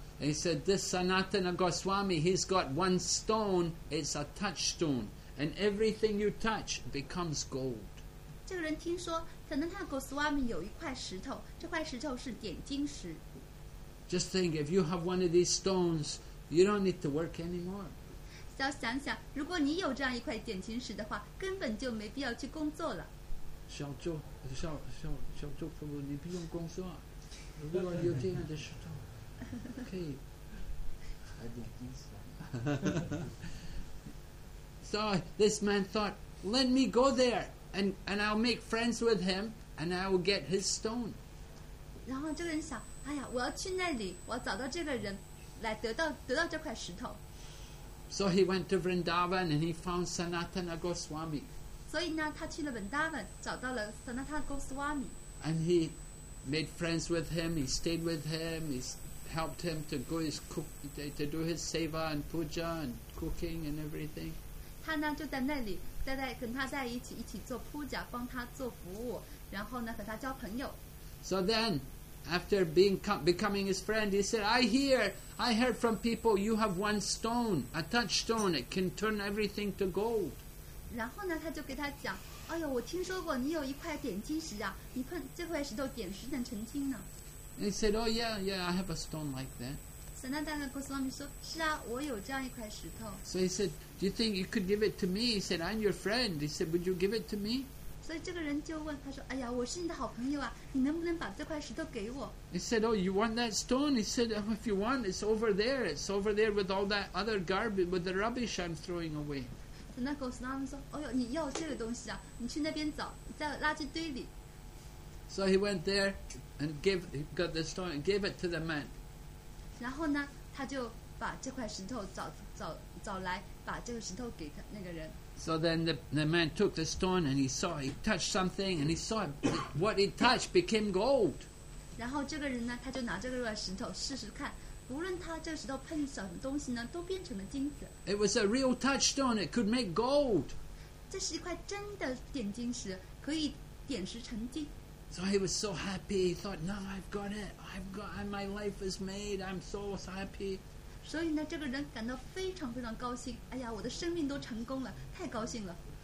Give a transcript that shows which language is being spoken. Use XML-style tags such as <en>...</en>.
<en>He said, this Sanatana Goswami, he's got one stone, it's a touchstone, and everything you touch becomes gold.</en> <zh>这个人听说 Sanatana Goswami 有一块石头，这块石头是点金石。</zh> <en>Just think, if you have one of these stones, you don't need to work anymore.</en> <zh>要想想，如果你有这样一块点金石的话，根本就没必要去工作了。小舅父母，你不用工作，如果有这样的石头。</zh> <en>Okay. So this man thought, let me go there and I'll make friends with him and I'll get his stone.</en> <zh>然后这个人想，哎呀，我要去那里，我要找到这个人来得到这块石头。</zh> <en>So he went to Vrindavan and he found Sanatana Goswami.</en> <zh>所以呢，他去了 Vrindavan， 找到了 Sanatana Goswami.</zh> <en>And he made friends with him. He stayed with him. He'sHelped him to go his cook to do his seva and puja and cooking and everything.</en> <zh>他呢就在那里在跟他在一起做 puja， 帮他做服务，然后呢和他交朋友。</zh> <en>So then, after becoming his friend, he said, "I heard from people you have one stone, a touchstone. It can turn everything to gold."</en> <zh>然后呢，他就给他讲，哎呦，我听说过你有一块点金石啊，你碰这块石头，点石能成金呢。</zh> <en>And he said, oh yeah, I have a stone like that.</en> <zh>Sanatana Goswami 说，是啊，我有这样一块石头。</zh> <en>So he said, do you think you could give it to me? He said, I'm your friend. He said, would you give it to me?</en> <zh>所以这个人就问他说：“哎呀，我是你的好朋友啊，你能不能把这块石头给我</zh> <en>？”He said, "Oh, you want that stone?" He said, "Oh, if you want, it's over there. It's over there with all that other garbage, with the rubbish I'm throwing away."</en> <zh>那狗斯拉姆说：“哎呦，你要这个东西啊？你去那边找，在垃圾堆里。</zh> <en>”So he went there and gave, got the stone and gave it to the man.</en> <zh>然后呢，他就把这块石头找来，把这个石头给他那个人。</zh> <en>So then the man took the stone and he saw, he touched something and he saw what he touched became gold.</en> <zh>然后这个人呢，他就拿这个石头试试看，无论他这个石头碰什么东西呢，都变成了金子。</zh> <en>It was a real touchstone, it could make gold.</en> <zh>这是一块真的点金石，可以点石成金。</zh> <en>So he was so happy, he thought, now I've got it, I've got, my life is made, I'm so happy.</en> <zh>所以呢，这个人感到非常非常高兴。哎呀，我的生命都成功了，太高兴了。</zh>